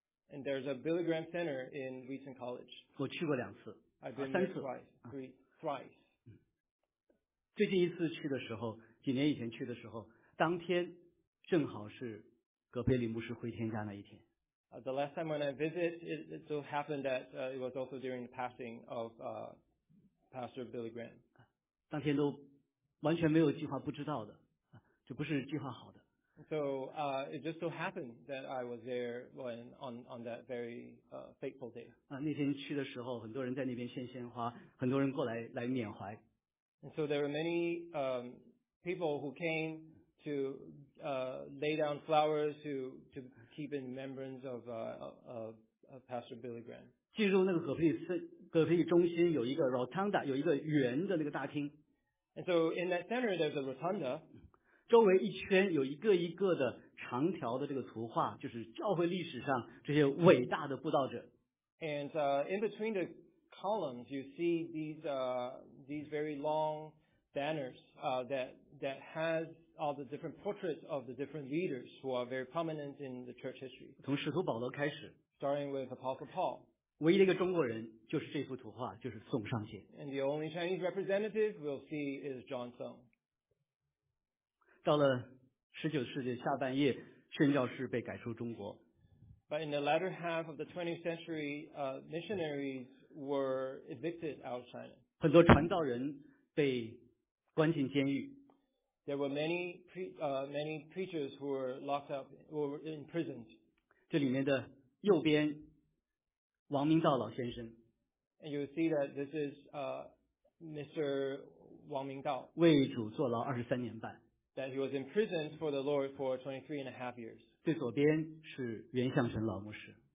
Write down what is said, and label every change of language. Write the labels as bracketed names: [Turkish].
[English] And there's a Billy Graham Center in Wheaton College. [Chinese] 我去过两次， [English] I've been there twice. [Chinese] 最近一次去的时候，几年以前去的时候，当天。正好是格培里牧师回天家那一天。 [English] The last time when I visited, it so happened that it was also during the passing of Pastor Billy Graham. [Chinese] 当天都完全没有计划，不知道的，这不是计划好的。 [English] So it just so happened that I was there when on that very fateful day. [Chinese] 那天去的时候，很多人在那边献鲜花，很多人过来来缅怀。 [English] And so there were many people who came. To lay down flowers to keep in remembrance of Pastor Billy Graham. [Chinese] 进入那个格培里中心有一个 rotunda， 有一个圆的那个大厅。 [English] And so in that center there's a rotunda. [Chinese] 周围一圈有一个一个的长条的这个图画，就是教会历史上这些伟大的布道者。 [English] And in between the columns you see these very long banners that has all the different portraits of the different leaders who are very prominent in the church history. [Chinese] 从使徒保罗开始。 [English] Starting with Apostle Paul. [Chinese] 唯一的一个中国人就是这幅图画，就是宋尚杰。 [English] And the only Chinese representative we'll see is John Song. [Chinese] 到了十九世纪下半叶，宣教士被赶出中国。 [English] But in the latter half of the 20th century, missionaries were evicted out of China. [Chinese] 很多传道人被关进监狱。 [English] There were many preachers who were locked up or imprisoned. [Chinese] 这里面的右边，王明道老先生。 [English] And you see that this is Mr. 王明道。 [Chinese] 为主坐牢二十三年半。 [English] That he was imprisoned for the Lord for 23 and a half years. [Chinese] 最左边是袁向神老牧师。